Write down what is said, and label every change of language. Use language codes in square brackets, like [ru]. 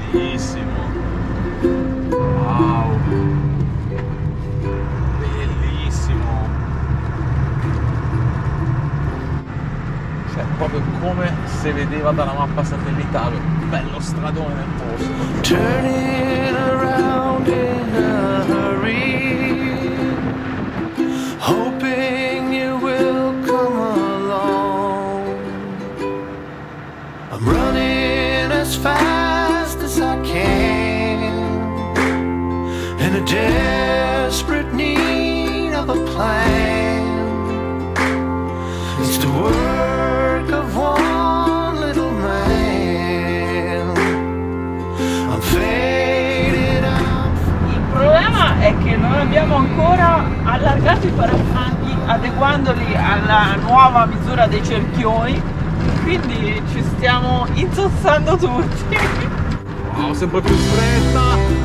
[it] bellissimo. Wow, bellissimo, cioè proprio come si vedeva dalla mappa satellitale, bello stradone nel posto. [en] Turn it around in a hurry, hoping you will come along. I'm running as fast as I can, in a desperate need of a plan. It's the work of one little man. I'm faded out. [it] Il problema è che non abbiamo ancora allargato i parafanghi adeguandoli alla nuova misura dei cerchioni, quindi ci stiamo insozzando tutti. Wow, sempre più fretta.